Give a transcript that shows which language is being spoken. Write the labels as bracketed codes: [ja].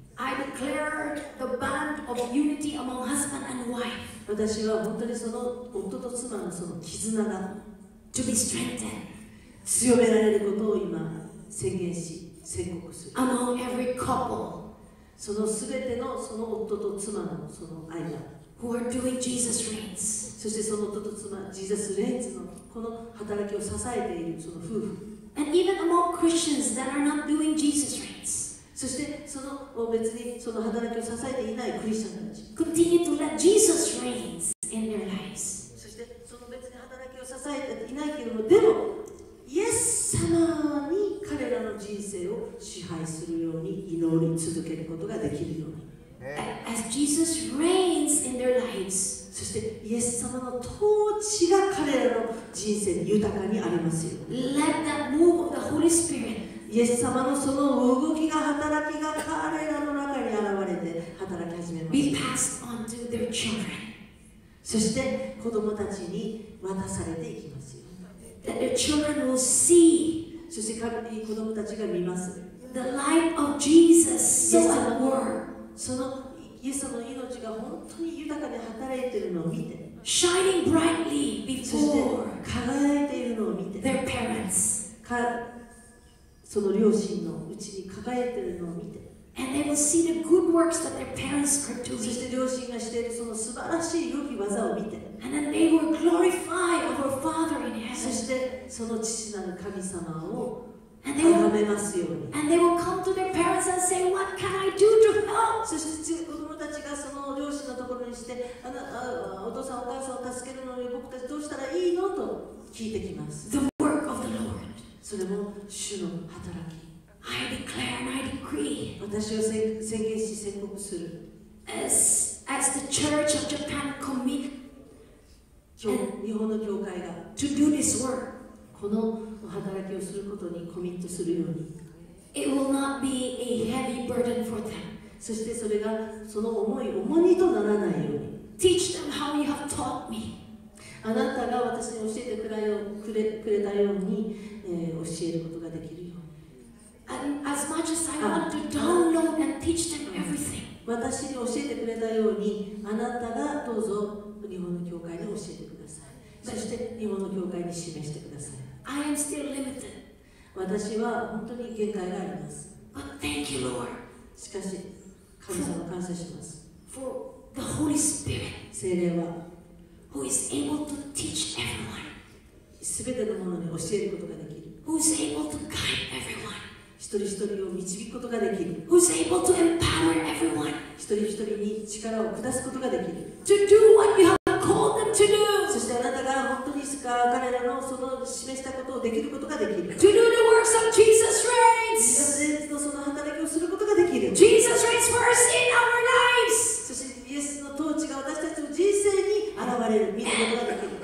[en] I declare the bond of unity among husband and wife. [ja] 私は本当にその夫と妻のその絆が。 [en] To be strengthened. [ja] 強められることを今宣言し宣告する。 [en] Among every couple, [ja] そのすべてのその夫と妻のその間、 [en] who are doing Jesus reigns. [ja] そしてその夫と妻、Jesus reigns のこの働きを支えているその夫婦。 [en] And even among Christians that are not doing Jesus reigns. [ja] そしてその別にその働きを支えていないクリスチャンたち、 [en] continue to let Jesus reigns in their lives. [ja] 支えていないけれども、でもイエス様に彼らの人生を支配するように祈り続けることができるように。 [en] As Jesus reigns in their lives, [ja] そしてイエス様の統治が彼らの人生に豊かにありますよ。 [en] Let that move of the Holy Spirit, [ja] イエス様のその動きが働きが彼らの中に現れて働き始めます。 [en] Be passed on to their children. [ja] そして子供たちに渡されていきますよ。 [en] That the children will see. [ja] そして子供たちが見ます。 [en] The light of Jesus still at work. [ja] そのイエス様の命が本当に豊かに働いているのを見て。 [en] Shining brightly before. [ja] そして輝いているのを見て。 [en] Their parents. [ja] その両親のうちに輝いているのを見て。 [en] And they will see the good works that their parents are doing. [ja] そして両親がしているその素晴らしい良き技を見て。 [en] And then they will glorify our Father in heaven. [ja] そしてその父なる神様を崇めますように。 [en] And they will come to their parents and say, What can I do to help? [ja] そして子供たちがその両親のところにして、お父さんお母さんを助けるのに僕僕たちどうしたらいいのと聞いてきます。 [en] The work of the Lord. [ja] それも主の働き。 [en] I declare and I decree. [ja] 私は宣言し宣告する。 [en] As the Church of Japan commit. [ja] 日本の教会が [en] to do this work. [ja] この働きをすることにコミットするように。 [en] It will not be a heavy burden for them. [ja] そしてそれがその重い重荷とならないように。 [en] Teach them how you have taught me. [ja] あなたが私に教えてくれたように、教えることができるように。 [en] And as much as I want to download and teach them everything. [ja] 私に教えてくれたようにあなたがどうぞ日本の教会に教えてください。そして日本の教会に示してください。 [en] I am still limited. [ja] 私は本当に限界があります。 [en] But thank you, Lord. [ja] しかし神様感謝します。 [en] For the Holy Spirit. [ja] 聖霊は [en] Who is able to teach everyone. [ja] 全てのものに教えることができる。 [en] Who is able to guide everyone. [ja] 一人一人を導くことができる。 [en] Who's able to empower everyone? [ja] 一人一人に力を下すことができる。 [en] To do what you have called them to do. [ja] そしてあなたが本当にしか彼らのその示したことをできることができる。 [en] To do the works of Jesus reigns. [ja] イエス様のその働きをすることができる。 [en] Jesus reigns first in our lives. [ja] そしてイエスの統治が私たちの人生に現れる。見ることができる。